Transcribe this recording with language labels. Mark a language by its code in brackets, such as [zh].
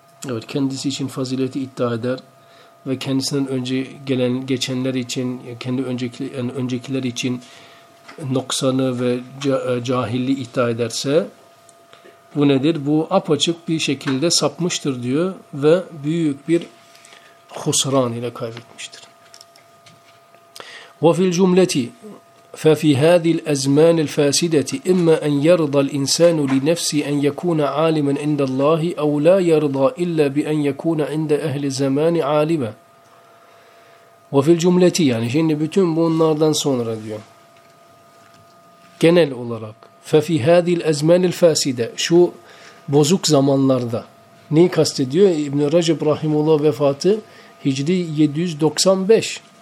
[tr] Evet, kendisi için fazileti iddia eder ve kendisinden önce gelen geçenler için, kendi öncekiler için noksanı ve cahilliği iddia ederse bu nedir? Bu apaçık bir şekilde sapmıştır diyor ve büyük bir husran ile kaybetmiştir. [ar] وفي الجملة ففي هذه الأزمان الفاسدة إما أن يرضى الإنسان لنفسه أن يكون عالما عند الله أو لا يرضى إلا بأن يكون عند أهل الزمان عالما. وفي الجملة [tr] يعني şimdi bütün bunlardan sonra diyor. Genel olarak [ar] ففي هذه الأزمان الفاسدة [tr] şu bozuk zamanlarda neyi kastediyor? İbn-i Recep Rahimullah vefatı Hicri 795.